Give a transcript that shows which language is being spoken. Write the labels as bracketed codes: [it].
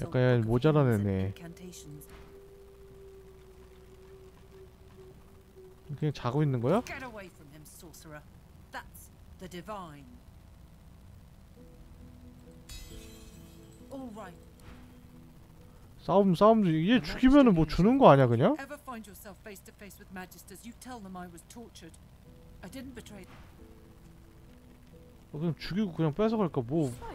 [ko] 약간 모자란 애네. 그냥 자고 있는 거야? [en] Get away from him, sorcerer. That's the divine. All right. [ko] 싸움 얘 죽이면은 뭐 주는 거 아니야 그냥? [en] Ever find yourself face to face with magisters, you tell them I was tortured. I didn't betray. [ko] 어, 그냥 죽이고 그냥 뺏어 갈까 뭐.